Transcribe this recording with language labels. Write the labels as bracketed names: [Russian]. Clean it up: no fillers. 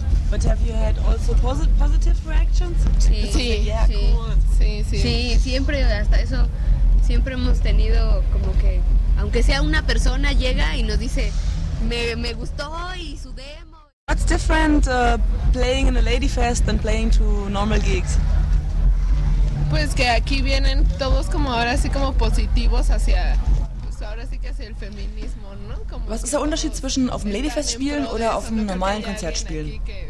[English] But have you had also positive reactions? [Spanish] Sí, siempre, hasta eso, siempre hemos tenido como que... Aunque sea una persona llega y nos dice me gustó y su demo. [English] What's different playing in a lady fest than playing to normal gigs? [Spanish] Pues que aquí vienen todos como ahora sí como positivos hacia pues ahora sí que hacia el feminismo, ¿no? Como [German] Was ist der Unterschied zwischen auf dem Ladyfest spielen oder auf einem normalen Konzert spielen?